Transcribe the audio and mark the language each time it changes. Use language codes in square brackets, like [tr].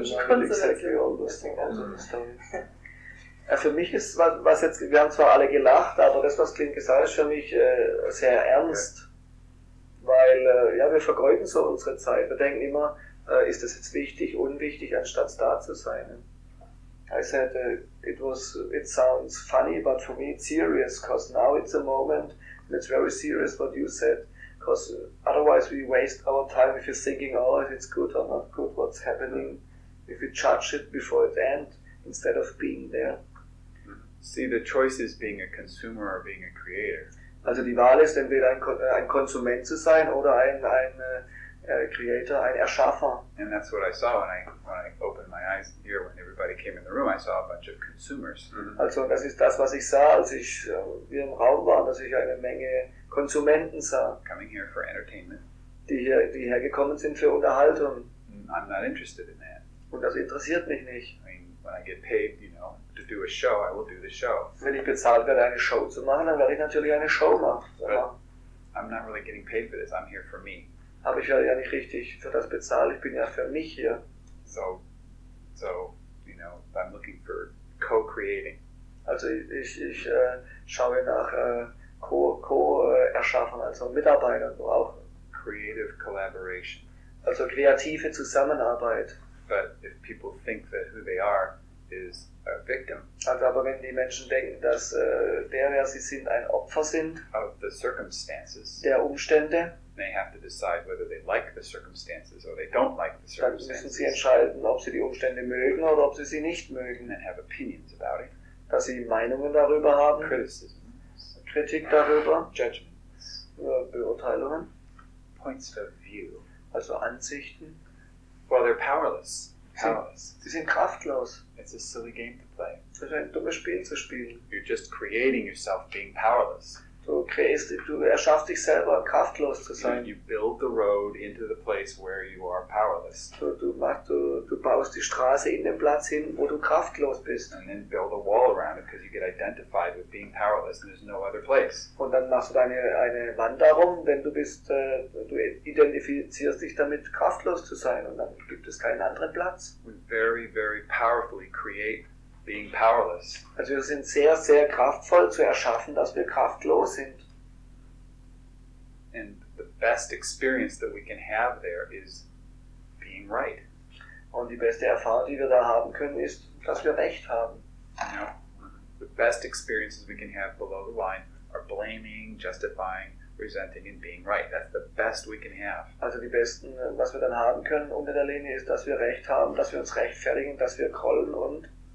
[de] nicht. Ich konnte [en] exactly all those things, also the story. [de] Ja, für mich ist, was jetzt, wir haben zwar alle gelacht, aber das, was Clint gesagt hat, ist für mich sehr ernst. Ja. Weil ja, wir vergeuden so unsere Zeit. Wir denken immer, ist das jetzt wichtig, unwichtig, anstatt da zu sein. [en] I said, it sounds funny, but for me it's serious, because now it's a moment, and it's very serious what you said. Because otherwise we waste our time if you're thinking, oh, if it's good or not good, what's happening. Mm-hmm. If you judge it before it ends, instead of being there. See, the choice is being a consumer or being a creator. [de] Also die Wahl ist, entweder ein Konsument zu sein oder ein Creator, ein Erschaffer. [en] And that's what I saw when I opened my eyes here, when everybody came in the room, I saw a bunch of consumers. Mm-hmm. [de] Also das ist das, was ich sah, als ich hier im Raum war, dass ich eine Menge Konsumenten sah. [en] Coming here for entertainment. [de] Die hier gekommen sind für Unterhaltung. [en] I'm not interested in that. [de] Und das interessiert mich nicht. [en] I mean, when I get paid, you know, to do a show, I will do the show. [de] Wenn ich bezahlt werde, eine Show zu machen, dann werde ich natürlich eine Show machen. [en] But I'm not really getting paid for this. I'm here for me. [de] Aber ich werde ja nicht richtig für das bezahlt. Ich bin ja für mich hier. [en] So, you know, I'm looking for co-creating. [de] Also ich schaue nach Co-Erschaffen, also Mitarbeiter brauchen. [en] Creative collaboration. [de] Also kreative Zusammenarbeit. [en] But if people think that who they are is a victim. [de] Also aber wenn die Menschen denken, dass wer sie sind, ein Opfer sind. [en] Of the circumstances. [de] Der Umstände. [en] They have to decide whether they like the circumstances or they don't like the circumstances. [de] Dann müssen sie entscheiden, ob sie die Umstände mögen oder ob sie nicht mögen. [en] And have opinions about it. [de] Dass sie Meinungen darüber haben. [en] Criticism. [de] Kritik darüber, [en] Judgments. [de] Beurteilungen, [en] Points of view, [de] also Ansichten. [en] Well, they're powerless. [de] Sie sind kraftlos. [en] It's a silly game to play. [de] Es ist ein dummes Spiel zu spielen. [en] You're just creating yourself being powerless. [de] Du erschaffst dich selber, kraftlos zu sein. [en] You build the road into the place where you are powerless. [de] Du baust die Straße in den Platz hin, wo du kraftlos bist. [en] And then build a wall around it, because you get identified with being powerless, and there's no other place. [de] Und dann machst du eine Wand darum, denn du identifizierst dich damit, kraftlos zu sein, und dann gibt es keinen anderen Platz. [en] We very, very powerfully create being powerless. [de] Also wir sind sehr, sehr kraftvoll zu erschaffen, dass wir kraftlos sind. [en] And the best experience that we can have there is being right. [de] Und die beste Erfahrung, die wir da haben können, ist, dass wir recht haben. [en] You know, the best experiences we can have below the line are blaming, justifying, resenting and being right. That's the best we can have. [de] Also die besten, was wir dann haben können unter der Linie, ist, dass wir recht haben, dass wir uns rechtfertigen, dass wir grollen und